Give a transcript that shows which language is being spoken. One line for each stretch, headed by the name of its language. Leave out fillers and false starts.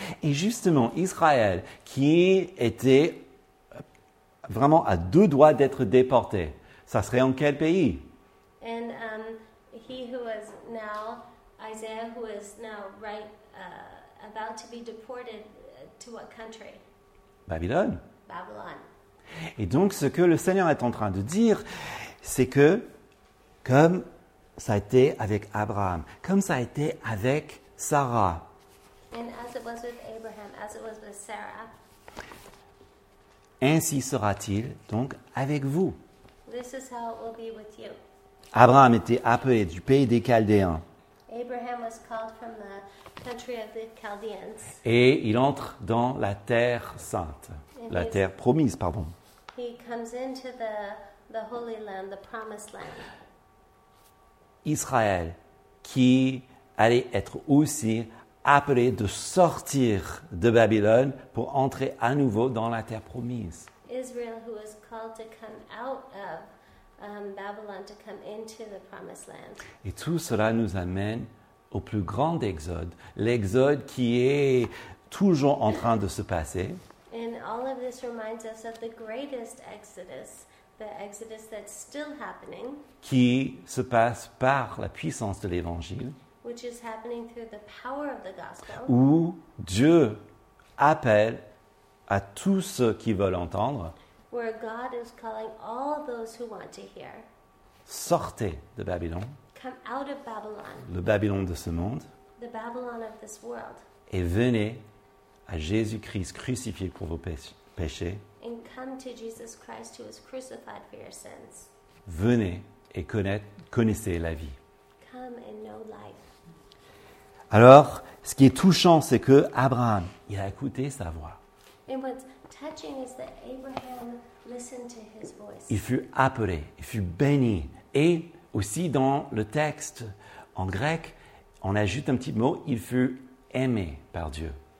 French: Et justement, Israël, qui était vraiment à deux doigts d'être déporté, ça serait en quel pays?
English: And he who was now, Isaiah, who is now right, about to be deported, to what country?
French: Babylone.
English: Babylon.
French: Et donc, ce que le Seigneur est en train de dire, c'est que comme ça a été avec Abraham, comme ça a été avec Sarah.
English: And as it was with Abraham, as it was with Sarah.
French: Ainsi sera-t-il donc avec vous.
English: This is how it will be with you.
French: Abraham était appelé du pays des Chaldéens.
English: Abraham was called from the country of the Chaldeans.
French: Et il entre dans la terre sainte, la terre promise, pardon.
English: He comes into the holy land, the promised land.
French: Israël, qui allait être aussi appelé de sortir de Babylone pour entrer à nouveau dans la terre promise.
English: Israël, who was called to come out of Babylon, to come into the promised land.
French: Et tout cela nous amène au plus grand exode, l'exode qui est toujours en train de se passer.
English: And all of this reminds us of the greatest exodus. The exodus that's still happening,
French: qui se passe par la puissance de l'Évangile,
English: which is happening through the power of the gospel,
French: où Dieu appelle à tous ceux qui veulent entendre,
English: where God is calling all those who want to hear,
French: sortez de Babylone,
English: come out of Babylon,
French: le Babylone de ce monde,
English: the Babylon of this world,
French: et venez à Jésus-Christ crucifié pour vos péchés.
English: And come to Jesus Christ who was crucified for your sins.
French: Venez et connaissez la vie.
English: Come and know life.
French: Alors, ce qui est touchant, c'est que Abraham, il a écouté sa voix.
English: And what's touching is that Abraham listened to his voice.
French: Il fut appelé, il fut béni. Et aussi dans le texte en grec, on ajoute un petit mot, il fut aimé par Dieu.